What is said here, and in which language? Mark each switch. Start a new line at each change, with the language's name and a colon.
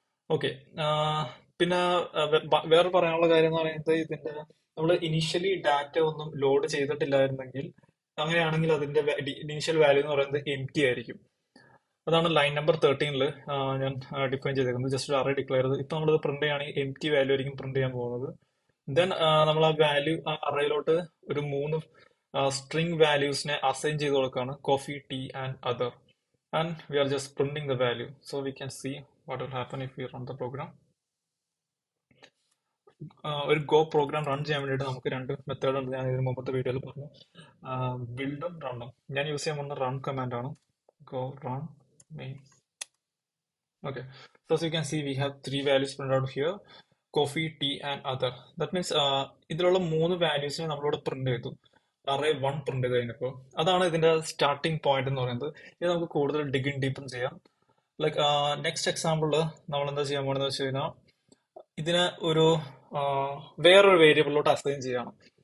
Malayalam: Okay, പിന്നെ വേറെ പറയാനുള്ള കാര്യം എന്ന് പറയുന്നത് ഇതിന്റെ നമ്മൾ ഇനീഷ്യലി ഡാറ്റ ഒന്നും ലോഡ് ചെയ്തിട്ടില്ലായിരുന്നെങ്കിൽ, അങ്ങനെയാണെങ്കിൽ അതിന്റെ ഇനീഷ്യൽ വാല്യൂ എന്ന് പറയുന്നത് എം ടി ആയിരിക്കും. അതാണ് ലൈൻ നമ്പർ 13 ഞാൻ ഡിഫൈൻ ചെയ്തേക്കുന്നത്, ജസ്റ്റ് അറേ ഡിക്ലെയർ ചെയ്ത്. ഇപ്പൊ നമ്മളിത് പ്രിന്റ് ചെയ്യുകയാണെങ്കിൽ എം ടി വാല്യൂ ആയിരിക്കും പ്രിന്റ് ചെയ്യാൻ പോകുന്നത്. ദെൻ നമ്മൾ ആ വാല്യൂ ആ അറേയിലോട്ട് ഒരു 3 സ്ട്രിംഗ് വാല്യൂസിനെ അസൈൻ ചെയ്ത് കൊടുക്കുകയാണ്, coffee T and other.
English: And we are just printing the value, so we can see what will happen if we run the program.
Malayalam: ഒരു ഗോ പ്രോഗ്രാം റൺ ചെയ്യാൻ വേണ്ടിയിട്ട് നമുക്ക് രണ്ട് മെത്തേഡ് ഉണ്ട്. ഞാൻ ഇതിന് മുമ്പത്തെ വീഡിയോയിൽ പറഞ്ഞു, ബിൽഡും റണ്ണും. ഞാൻ യൂസ് ചെയ്യാൻ പോകുന്ന റൺ കമാൻഡ് ആണ് go run main.
English: Okay, so as you can see, we have three values printed out here: coffee, tea, and other. That means
Malayalam: ഇതിലുള്ള മൂന്ന് വാല്യൂസ് നമ്മളിവിടെ പ്രിന്റ് ചെയ്തു. അറേ വൺ പ്രിന്റ് കഴിഞ്ഞപ്പോൾ അതാണ് ഇതിന്റെ സ്റ്റാർട്ടിംഗ് പോയിന്റ് എന്ന് പറയുന്നത്. ഇത് നമുക്ക് കൂടുതൽ ഡിഗിൻ ഡീപ്പും ചെയ്യാം. ലൈക്ക് നെക്സ്റ്റ് എക്സാമ്പിള് നമ്മൾ എന്താ ചെയ്യാൻ പോകുന്നത് വെച്ച് കഴിഞ്ഞാൽ, ഇതിന് ഒരു വേറൊരു വേരിയബിളിലോട്ട് അസൈൻ ചെയ്യണം.